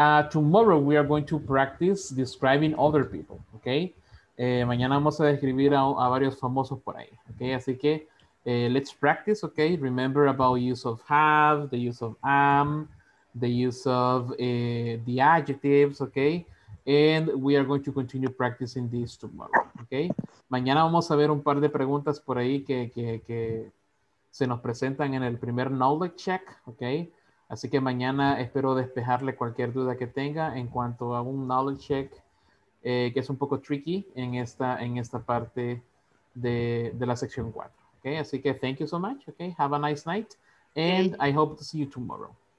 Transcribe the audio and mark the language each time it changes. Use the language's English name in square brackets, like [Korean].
[English] Tomorrow we are going to practice describing other people. Okay. [Spanish] Mañana vamos a describir a varios famosos por ahí. Okay, así que [English] let's practice. Okay, remember about use of have, the use of am. The use of the adjectives, okay? And we are going to continue practicing this tomorrow, okay? [Spanish] Mañana vamos a ver un par de preguntas por ahí que se nos presentan en el primer knowledge check, okay? Así que mañana espero despejarle cualquier duda que tenga en cuanto a un knowledge check, que es un poco tricky en esta parte de la sección 4. [English] Okay, [Spanish] así que [English] thank you so much. Okay, have a nice night. And okay. I hope to see you tomorrow.